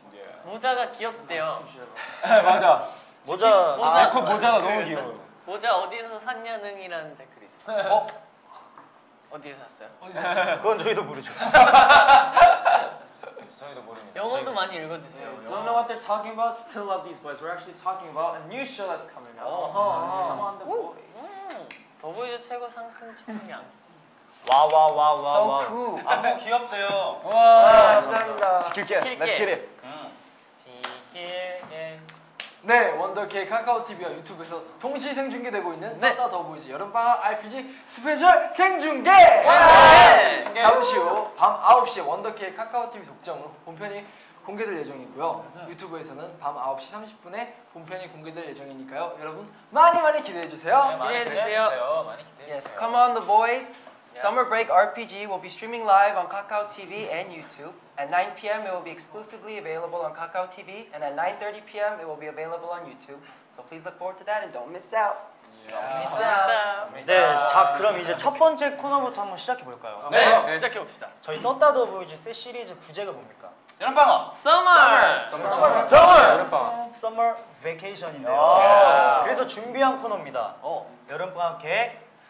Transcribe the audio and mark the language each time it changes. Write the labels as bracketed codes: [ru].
[ko] Yeah. 모자가 귀엽대요. 맞아. 모자. 모자. 아, 그 모자가 너무 귀여워. 모자 어디서 샀냐는이라는 댓글이 있어. 어? 어디에서 샀어요? 그건 저희도 모르죠. 저희도 모릅니다. 영어도 많이 읽어주세요. [en] Yeah. Don't know what they're talking about. Still love these boys. We're actually talking about a new show that's coming out. Come on, the boys. [ko] 더보이즈 최고 상큼 청량. 와와와와와 [en] so cool. [ko] 안무 귀엽대요. 와, 감사합니다. 지킬게. 지킬게. 지킬게. 지킬게. 네, 원더케이 카카오TV와 유튜브에서 동시 생중계되고 있는 떴다 더보이즈 여름방학 RPG 스페셜 생중계! 잠시 후 밤 9시에 원더케이 카카오TV 독점으로 본편이 공개될 예정이고요. 유튜브에서는 밤 9시 30분에 본편이 공개될 예정이니까요. 여러분 많이 많이 기대해주세요. 네, 기대해주세요. 많이 기대해주세요. [en] Yes, come on the boys. Summer Break RPG will be streaming live on Kakao TV and YouTube. At 9 PM, it will be exclusively available on Kakao TV, and at 9:30 PM, it will be available on YouTube. So please look forward to that and don't miss out. Yeah. Don't miss out. [ko] 네, 자 그럼 이제 첫 번째 코너부터 한번 시작해 볼까요? 네, 네. 시작해 봅시다. 저희 떴다 더보이즈 새 시리즈 부제가 뭡니까? 여름방학. [en] Summer. Summer. Summer. [ko] 여름방학. Summer vacation인데요. 그래서 준비한 코너입니다. 여름방학 계획.